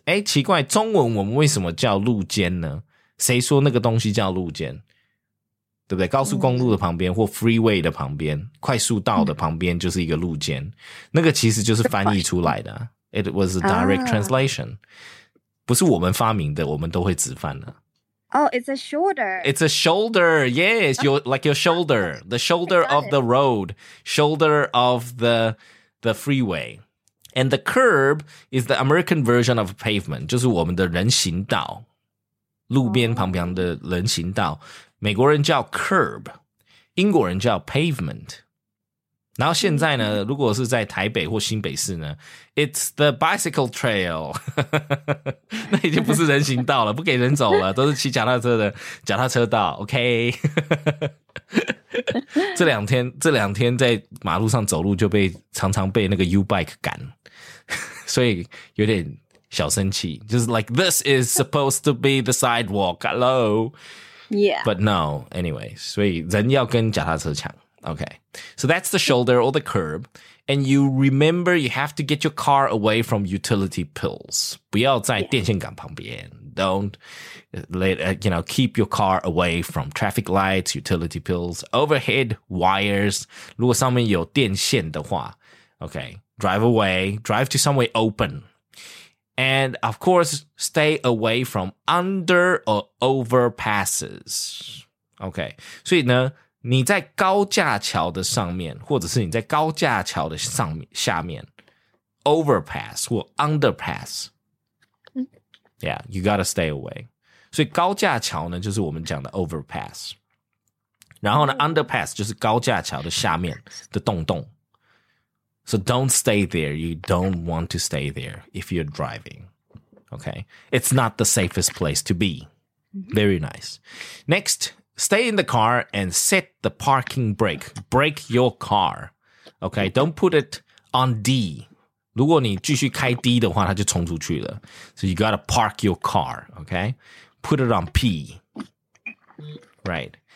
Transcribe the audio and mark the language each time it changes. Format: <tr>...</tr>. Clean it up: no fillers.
<zh>诶,奇怪, 中文我们为什么叫路肩呢?谁说那个东西叫路肩?对不对? 高速公路的旁边, 或freeway的旁边, 快速道的旁边就是一个路肩, 那个其实就是翻译出来的。</zh> <en>It was a direct translation.</en> <zh>不是我们发明的, 我们都会直翻了。</zh> <en>Oh, it's a shoulder. It's a shoulder. Yes, your like your shoulder, the shoulder of the road, shoulder of the freeway. And the curb is the American version of pavement,</en> <zh>就是我们的人行道, 路边旁边的人行道, 美国人叫curb, 英国人叫pavement. 然后现在呢, 如果是在台北或新北市呢,</zh> <en>it's the bicycle trail.</en> <zh>那已经不是人行道了, 不给人走了, 都是骑脚踏车的脚踏车道, OK? 这两天, 这两天在马路上走路 就被常常被那个U-bike赶, 所以有点小生气,</zh> <en>just like, this is supposed to be the sidewalk, hello? Yeah. But no, anyway,</en> <zh>所以人要跟脚踏车抢, OK?</zh> <en>So that's the shoulder or the curb. And you remember you have to get your car away from utility poles.</en> <zh>不要在电线杆旁边.</zh> <en>Don't let, you know, keep your car away from traffic lights, utility poles, overhead wires.</en> <zh>如果上面有电线的话, OK,</zh> <en>drive away, drive to somewhere open. And of course, stay away from under or overpasses.</en> <zh>OK, 所以呢, 你在高架桥的上面, 或者是你在高架桥的上面, overpass 或 underpass, yeah,</zh> <en>you gotta stay away.</en> <zh>所以高架桥呢, 就是我们讲的 overpass. 然后呢, underpass 就是高架桥的下面, 的洞洞.</zh> <en>So don't stay there. You don't want to stay there if you're driving. Okay, it's not the safest place to be. Very nice. Next. Stay in the car and set the parking brake. Brake your car. Okay, don't put it on D.</en> <zh>如果你继续开D的话, 它就冲出去了。</zh> <en>So you gotta park your car, okay? Put it on P. Right.</en>